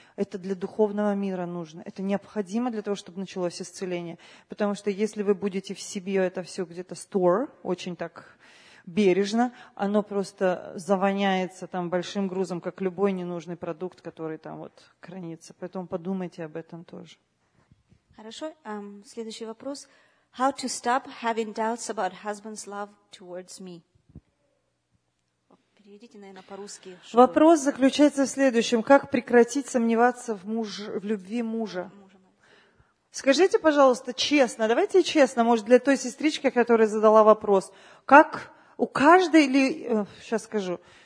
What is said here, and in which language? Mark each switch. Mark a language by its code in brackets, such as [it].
[ru] Это для духовного мира нужно. Это необходимо для того, чтобы началось исцеление. Потому что если вы будете в себе это все где-то store, очень так бережно, оно просто завоняется там большим грузом, как любой ненужный продукт, который там вот хранится. Поэтому подумайте об этом тоже. Хорошо. Следующий вопрос. [en] How to stop having doubts about husband's love towards me? [ru] Переведите, наверное, по-русски. Вопрос заключается в следующем. Как прекратить сомневаться в любви мужа? Скажите, пожалуйста, честно. Давайте честно, может, для той сестрички, которая задала вопрос. Как... У каждой ли, сейчас скажу,